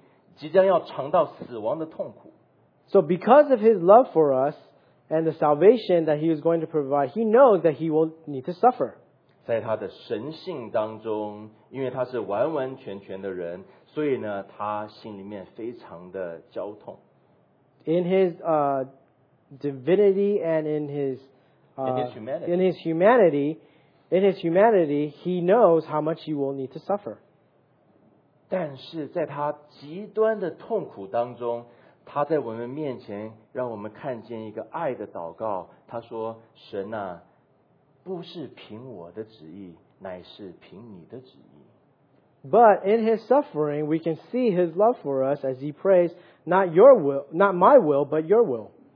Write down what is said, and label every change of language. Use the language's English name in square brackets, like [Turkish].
[Chinese] 主耶稣基督知道他来到这个世上，因为他对我们的爱，因为神对我们的拯救，他即将要面临，即将要尝到死亡的痛苦。 [English] So because of his love for us and the salvation that he was going to provide, he knows that he will need to suffer. [Chinese] 在他的神性当中，因为他是完完全全的人，所以呢，他心里面非常的焦痛。 [English] In his divinity and in his In his humanity, he knows how much he will need to suffer. [Chinese] 但是在他极端的痛苦当中，他在我们面前让我们看见一个爱的祷告。他说：“神啊，不是凭我的旨意，乃是凭你的旨意。” [English] But in his suffering, we can see his love for us as he prays, "Not your will, not my will, but your will."